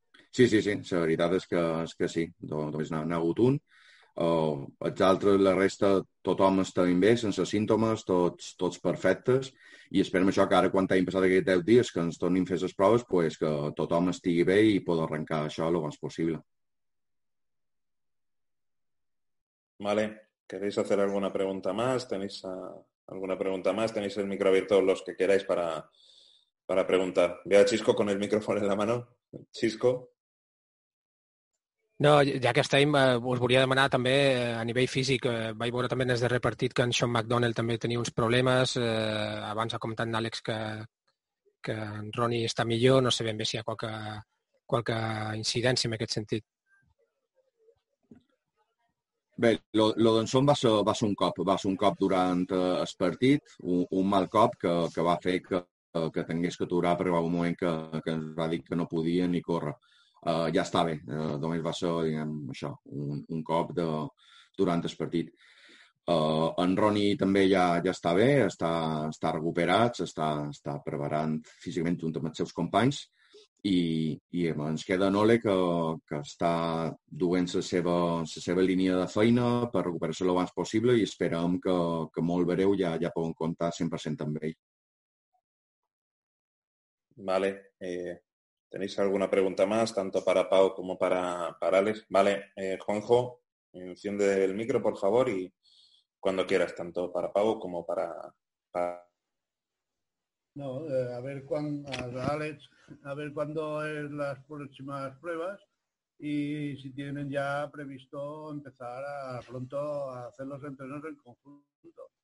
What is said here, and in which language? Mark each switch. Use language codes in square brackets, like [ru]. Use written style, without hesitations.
[ca] Sí, la veritat és que sí, només n'ha hagut un. Els altres, la resta, tothom està ben bé, sense símptomes, tots perfectes, i esperem això, que ara quan hagin passat aquests 10 dies que ens tornin a fer les proves, pues que tothom estigui bé i pot arrencar això el més possible. [es] Vale. ¿Queréis hacer alguna pregunta más? ¿Tenéis alguna pregunta más? ¿Tenéis el micro abierto los que queráis para preguntar? Ve a Chisco con el micrófono en la mano. Chisco. [ca] No, ja que estem, us volia demanar també a nivell físic, vaig veure també des de repartit que en Sean McDonald també tenia uns problemes, abans ha comentat en Àlex que en Ronnie està millor, no sé ben bé si hi ha qualque incidència en aquest sentit. Bé, lo d'en Sean va ser un cop durant el partit, un mal cop que va fer que tingués que aturar, perquè va un moment que ens va dir que no podia ni córrer. Ja està bé, només va ser, diguem, això, un cop durant el partit. En Ronnie també ja està bé, està recuperat, està preparant físicament junt amb els seus companys i ens queda en Ole que està duent la seva línia de feina per recuperar-se lo abans possible i esperem que molt breu ja puguem comptar 100% amb ell. [es] Vale. ¿Tenéis alguna pregunta más, tanto para Pau como para Alex? Vale, Juanjo, enciende el micro, por favor, y cuando quieras, tanto para Pau como para... No, a ver Alex, a ver cuándo es las próximas pruebas y si tienen ya previsto empezar pronto a hacer los entrenos en conjunto.